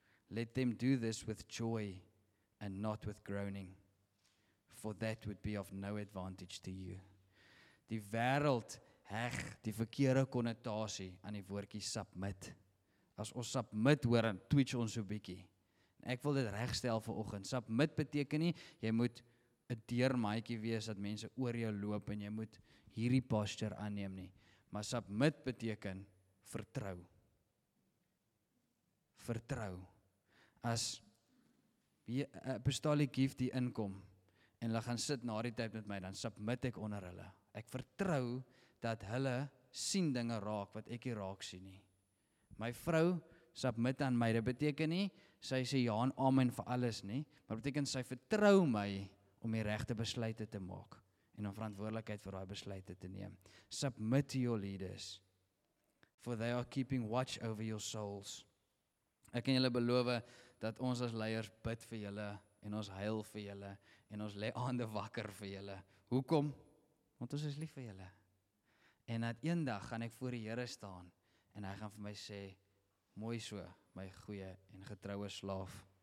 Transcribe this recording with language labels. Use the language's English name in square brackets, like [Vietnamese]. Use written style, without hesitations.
[English] Let them do this with joy and not with groaning, for that would be of no advantage to you. [Afrikaans] Die wêreld heg die verkeerde konnotasie aan die woordjie submit. As ons submit hoor, dan tweets ons so 'n bietjie. Ek wil dit regstel vir oggend. Submit beteken nie, jy moet een deurmaatjie wees dat mense oor jou loop en jy moet hierdie posture aanneem nie. Maar submit beteken vertrou. Vertrou. As [English] apostolic gift [Afrikaans] die inkom en hulle gaan sit na die tyd met my, dan submit ek onder hulle. Ek vertrou dat hulle sien dinge raak wat ek nie raak sien nie. My vrou submit aan my. Dit beteken nie, sy sê ja en amen vir alles nie, maar beteken sy vertrou my om die regte besluite te maak en om verantwoordelikheid vir daai besluite te neem. [English] Submit to your leaders, for they are keeping watch over your souls. [Afrikaans] Ek kan julle beloof dat ons as leiers bid vir julle en ons huil vir julle en ons lê aande wakker vir julle. Hoekom? Want ons is lief vir julle. En dat eendag gaan ek voor die Here staan en hy gaan vir my sê, mooi so, my goeie en getroue slaaf.